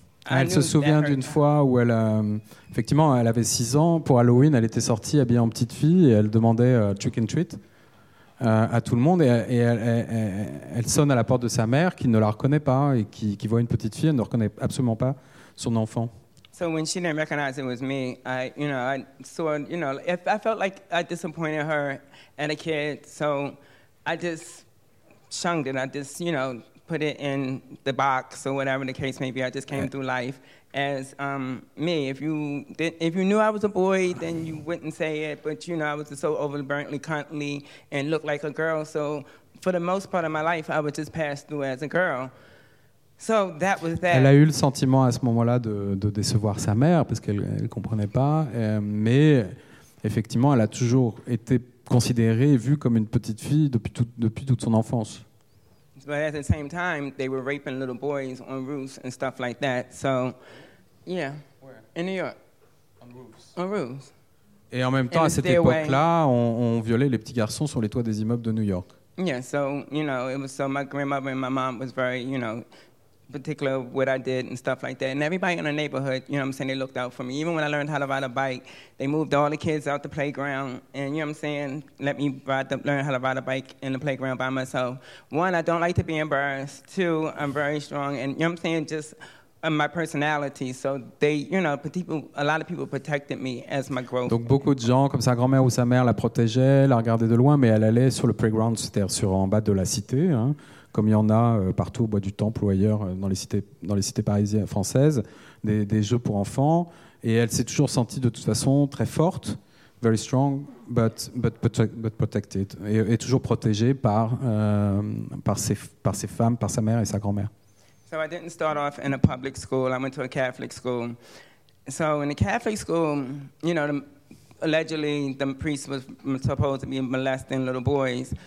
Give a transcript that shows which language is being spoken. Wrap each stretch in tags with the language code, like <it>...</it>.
<fr>elle se souvient d'une fois où elle, effectivement, elle avait 6 ans. Pour Halloween, elle était sortie habillée en petite fille et elle demandait</fr> <en>trick and treat</en> <fr>à tout le monde. Et elle sonne à la porte de sa mère qui ne la reconnaît pas et qui voit une petite fille. Elle ne reconnaît absolument pas son enfant.</fr> <en>So when she didn't recognize it was me, I felt like I disappointed her and a kid. So I just shunned it. Put it in the box or whatever the case may be. I just came through life as me. If you knew I was a boy, then you wouldn't say it. But you know, I was just so overburdenly, cuntly, and looked like a girl. So for the most part of my life, I would just pass through as a girl. So that was that.</en> <fr>Elle a eu le sentiment à ce moment-là de décevoir sa mère parce qu'elle comprenait pas. Mais effectivement, elle a toujours été considérée, vue comme une petite fille depuis toute son enfance.</fr> <en>But at the same time, they were raping little boys on roofs and stuff like that. So, yeah. Where? In New York. On roofs.</en> <fr>Et en même temps, and à cette époque-là, on violait les petits garçons sur les toits des immeubles de New York.</fr> <en>Yeah, so, you know, it was so my grandmother and my mom was very, you know, particular what I did and stuff like that. And everybody in the neighborhood, you know what I'm saying, they looked out for me. Even when I learned how to ride a bike, they moved all the kids out the playground and, you know what I'm saying, let me learn how to ride a bike in the playground by myself. One, I don't like to be embarrassed. Two, I'm very strong. And, you know what I'm saying, just my personality. So they, you know, a lot of people protected me as my growth.</en> <fr>Donc beaucoup de gens, comme sa grand-mère ou sa mère, la protégeaient, la regardaient de loin, mais elle allait sur le playground, c'est-à-dire sur en bas de la cité, hein. Comme il y en a partout au Bois du Temple ou ailleurs dans les cités parisiennes françaises, des jeux pour enfants, et elle s'est toujours sentie de toute façon très forte,</fr> <en>very strong, but protected,</en> <fr>et toujours protégée par ses femmes, par sa mère et sa grand-mère.</fr> <en>So I didn't start off in a public school. I went to a Catholic school. So in a Catholic school, you know, allegedly the priest was supposed to be molesting little boys.</en>